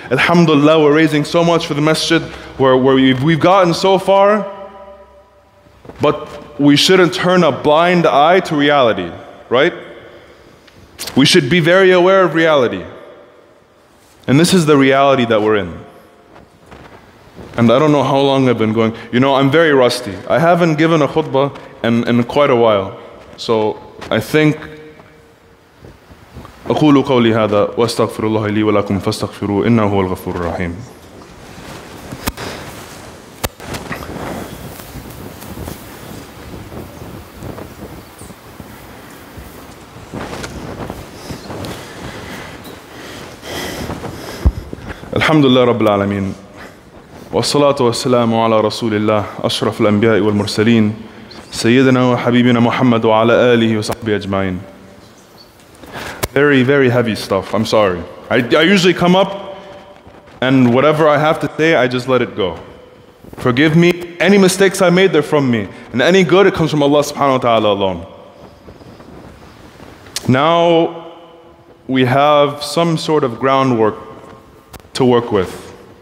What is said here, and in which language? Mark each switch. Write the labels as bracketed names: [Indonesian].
[English] Alhamdulillah, we're raising so much for the masjid, where we've gotten so far, but we shouldn't turn a blind eye to reality, right? We should be very aware of reality. And this is the reality that we're in. And I don't know how long I've been going. You know, I'm very rusty. I haven't given a khutbah in quite a while. So I think [Arabic] أقول قولي هذا واستغفر الله لي ولكم فاستغفروا إنه هو الغفور الرحيم. الحمد لله رب العالمين والصلاة والسلام على رسول الله أشرف الأنبياء والمرسلين سيدنا وحبيبنا محمد وعلى آله وصحبه أجمعين. [English] Very, very heavy stuff. I'm sorry. I usually come up and whatever I have to say, I just let it go. Forgive me. Any mistakes I made, they're from me. And any good, it comes from Allah subhanahu wa ta'ala alone. Now we have some sort of groundwork to work with.